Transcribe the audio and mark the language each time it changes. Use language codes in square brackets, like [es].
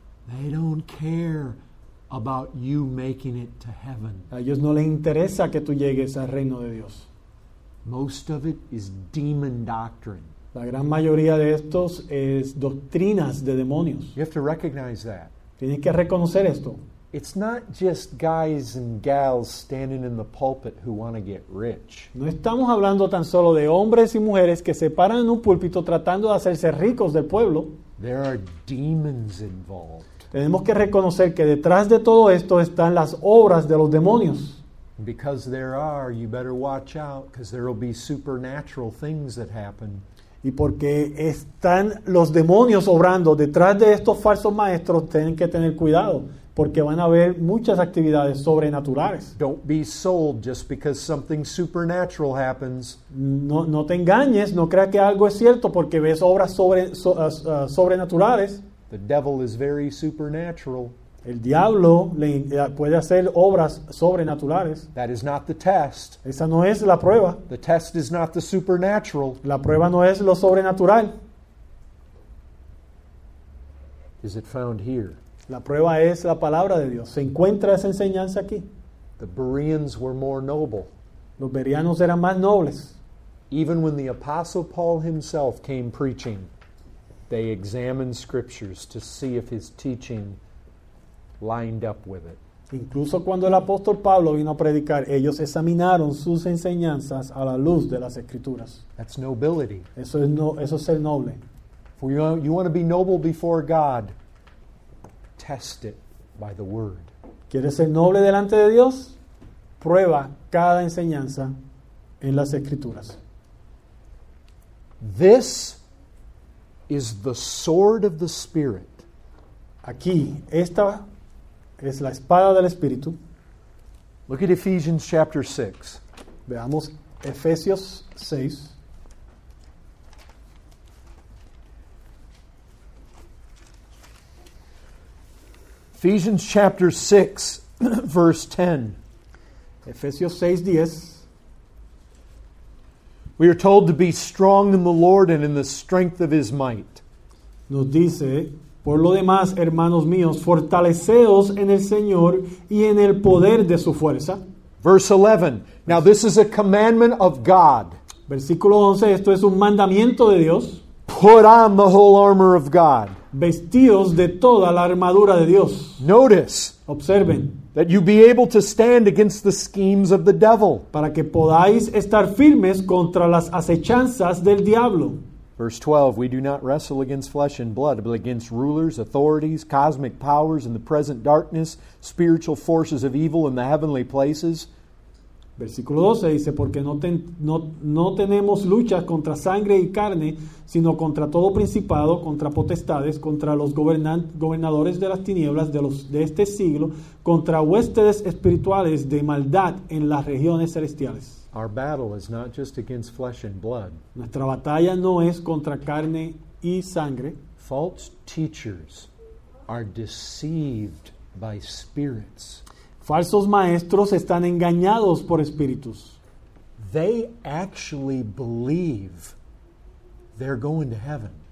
[en] They don't care about you making it to heaven. [es] A ellos no les interesa que tú llegues al reino de Dios. [en] Most of it is demon doctrine. [es] La gran mayoría de estos es doctrinas de demonios. [en] You have to recognize that. [es] Tienes que reconocer esto. [en] It's not just guys and gals standing in the pulpit who want to get rich. [es] No estamos hablando tan solo de hombres y mujeres que se paran en un púlpito tratando de hacerse ricos del pueblo. [en] There are demons involved. [es] Tenemos que reconocer que detrás de todo esto están las obras de los demonios. [en] Because there are, you better watch out, because there will be supernatural things that happen. [es] Y porque están los demonios obrando detrás de estos falsos maestros, tienen que tener cuidado, porque van a haber muchas actividades sobrenaturales. [en] Don't be sold just because something supernatural happens. [es] No te engañes, no creas que algo es cierto porque ves obras sobrenaturales. [en] The devil is very supernatural. [es] El diablo puede hacer obras sobrenaturales. [en] That is not the test. [es] Esa no es la prueba. [en] The test is not the supernatural. [es] La prueba no es lo sobrenatural. [en] Is it found here? [es] La prueba es la palabra de Dios. ¿Se encuentra esa enseñanza aquí? [en] The Bereans were more noble. [es] Los Bereanos eran más nobles. [en] Even when the Apostle Paul himself came preaching, they examined scriptures to see if his teaching lined up with it. [es] Incluso cuando el apóstol Pablo vino a predicar, ellos examinaron sus enseñanzas a la luz de las escrituras. [en] That's nobility. [es] Eso es ser noble. [en] For you want to be noble before God, test it by the word. [es] ¿Quieres ser noble delante de Dios? Prueba cada enseñanza en las escrituras. [en] This is the sword of the Spirit. [es] Aquí, esta es la espada del Espíritu. [en] Look at Ephesians chapter 6. [es] Veamos Efesios 6. [en] Ephesians chapter 6, verse 10. [es] Efesios 6, 10. [en] We are told to be strong in the Lord and in the strength of His might. [es] Nos dice, por lo demás, hermanos míos, fortaleceos en el Señor y en el poder de su fuerza. [en] Verse 11. Now this is a commandment of God. [es] Versículo 11. Esto es un mandamiento de Dios. [en] Put on the whole armor of God. [es] Vestidos de toda la armadura de Dios. [en] Notice. [es] Observen. [en] That you be able to stand against the schemes of the devil. [es] Para que podáis estar firmes contra las acechanzas del diablo. [en] Verse 12, we do not wrestle against flesh and blood, but against rulers, authorities, cosmic powers in the present darkness, spiritual forces of evil in the heavenly places. [es] Versículo 12 dice, porque no tenemos luchas contra sangre y carne, sino contra todo principado, contra potestades, contra los gobernadores de las tinieblas de este siglo, contra huestes espirituales de maldad en las regiones celestiales. [en] Our battle is not just against flesh and blood. [es] Nuestra batalla no es contra carne y sangre. [en] False teachers are deceived by spirits. [es] Falsos maestros están engañados por espíritus. [en] They actually believe they're going to heaven.